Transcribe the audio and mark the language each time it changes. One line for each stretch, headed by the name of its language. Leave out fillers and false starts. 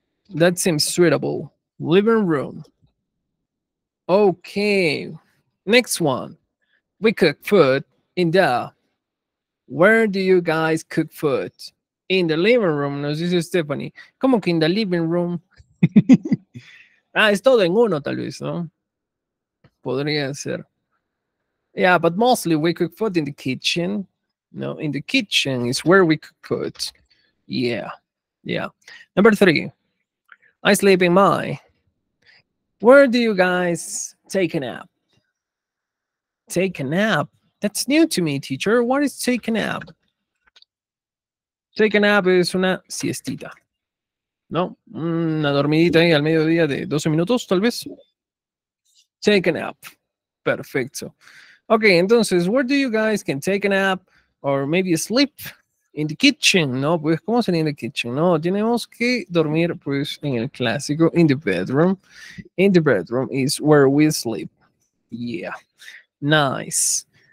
English: That seems suitable. Living room. Okay. Next one. We cook food in the... Where do you guys cook food? In the living room,
Spanish: nos dice Stephanie. ¿Cómo que
English: in the living room?
Spanish: Ah, es todo en uno, tal vez, ¿no? Podría ser.
English: Yeah, but mostly we cook food in the kitchen. No, in the kitchen is where we cook food. Yeah, yeah. Number three. I sleep in my... Where do you guys take a nap? Take a nap? That's new to me, teacher. What is take a nap? Take a nap is
Spanish: una siestita. No, una dormidita ahí al mediodía de 12 minutos, tal vez.
English: Take a nap. Perfecto. Okay, entonces, where do you guys can take a nap or maybe sleep? In the kitchen,
Spanish: ¿no? Pues, ¿cómo sería
English: in the kitchen?
Spanish: No, tenemos que dormir, pues, en el clásico,
English: in the bedroom. In the bedroom is where we sleep. Yeah. Nice.